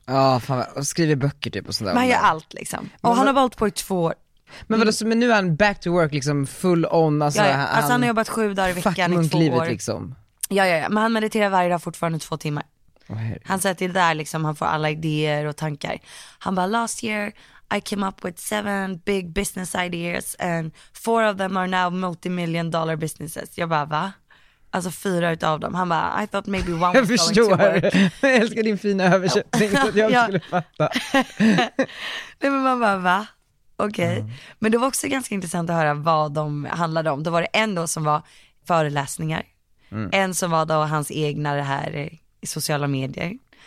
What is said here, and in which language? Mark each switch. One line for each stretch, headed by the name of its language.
Swedish: Ja, fan, och skriver böcker typ och sådär. Men han gör allt liksom. Och han har valt på i 2 år. Men nu är han
English: back to work
Swedish: liksom
English: full on.
Swedish: Alltså, han har jobbat 7 dagar i veckan i 2 år. Fuck munklivet liksom. Ja. Men han mediterar varje dag fortfarande 2 timmar. Oh, han säger att det där liksom han får alla idéer och tankar. Han bara,
English: last year I came up with 7 big business ideas and 4 of them are now multi-million dollar businesses.
Swedish: Jag bara, va? Alltså 4 utav dem. Han bara,
English: I thought maybe one was going to work.
Swedish: Jag förstår. Jag älskar din fina översättning. Så jag skulle fatta. Nej, men man bara, va? Okej. Men det var också ganska intressant att höra vad de handlade om. Det var det en då som var föreläsningar. Mm. En som var då hans egna det här i sociala medier.